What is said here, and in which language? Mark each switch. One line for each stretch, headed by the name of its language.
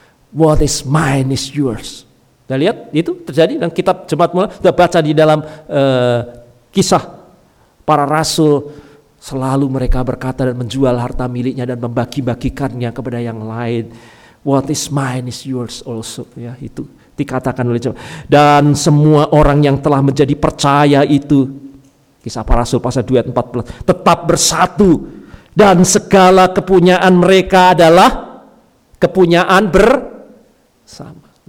English: What is mine is yours.
Indonesian: Nah, lihat, itu terjadi dalam kitab jemaat mula. Sudah baca di dalam kisah para rasul. Selalu mereka berkata dan menjual harta miliknya dan membagi-bagikannya kepada yang lain.
English: What is mine is yours also.
Indonesian: Ya, itu dikatakan oleh jemaat. Dan semua orang yang telah menjadi percaya itu, kisah para rasul pasal 2 ayat 14, tetap bersatu. Dan segala kepunyaan mereka adalah kepunyaan bersama.